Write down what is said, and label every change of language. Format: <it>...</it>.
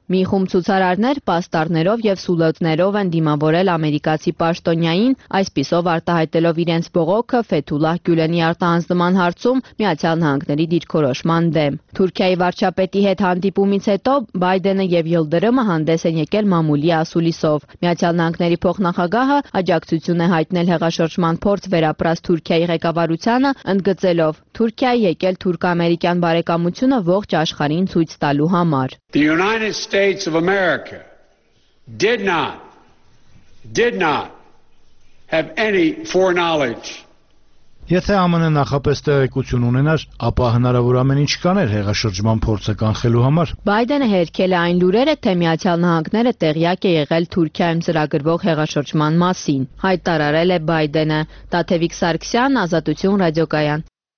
<hy>մի խումբ ցուցարարներ պաստառներով և սուլոտներով են դիմավորել ամերիկացի պաշտոնյային, այսպիսով արտահայտելով իրենց բողոքը Ֆեթուլլա Գյուլենի արտահանձնման հարցում Միացյալ Նահանգների դիրքորոշման դեմ։ Թուրքիայի վարչապետի հետ հանդիպումից հետո Բայդենը և Յիլդրմը հանդես են եկել մամուլի ասուլիսով։ Միացյալ Նահանգների փոխնախագահը աջակցություն է հայտնել հեղաշրջման փորձ վերապրած Թուրքիայի ղեկավարությանը, ընդգծելով Թուրքիայի եկել թուրք-ամերիկյան բարեկամությունը ողջ աշխարհին ցույց տալու համար։</hy> <en>The United States of America did not have any foreknowledge.</en> <hy>Եթե ԱՄՆ-ն նախապես տեղեկություն ունենար, ապա հնարավոր ամեն ինչ կաներ հեղաշրջման փորձը կանխելու համար։ Բայդենը հերքել է այն լուրերը, թե Միացյալ Նահանգները տեղյակ է եղել Թուրքիայում ծրագրվող հեղաշրջման մասին, հայտարարել է Բայդենը։ Տաթևիկ Սարգսյան, Ազատություն ռադիոկայան։</hy>